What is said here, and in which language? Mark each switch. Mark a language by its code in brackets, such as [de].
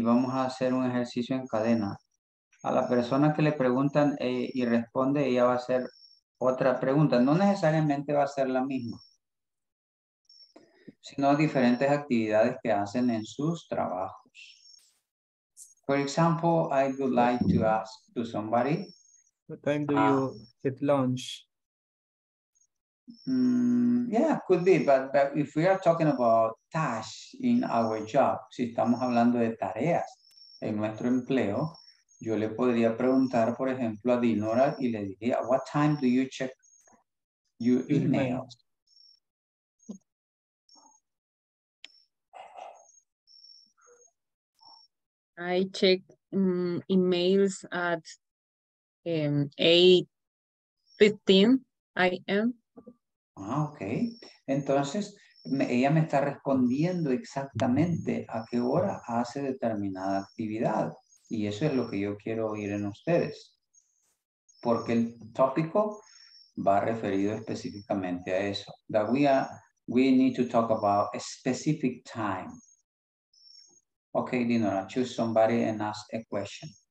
[es] Vamos a hacer un ejercicio en cadena. A la persona que le preguntan y responde, ella va a hacer otra pregunta. No necesariamente va a ser la misma, sino diferentes actividades que hacen en sus trabajos. [en] For example, I would like to ask to somebody. What time do you get lunch? Yeah, could be. But if we are talking about tasks in our job, [es] si estamos hablando de tareas en nuestro empleo, yo le podría preguntar, por ejemplo, a Dinora y le diría, [en] what time do you check your emails? I check emails at 8:15 a.m. Ah, okay. [es] Entonces, ella me está respondiendo exactamente a qué hora hace determinada actividad. Y eso es lo que yo quiero oír en ustedes. Porque el tópico va referido específicamente a eso. [en] That we need to talk about a specific time. Okay, Dinora, choose somebody and ask a question.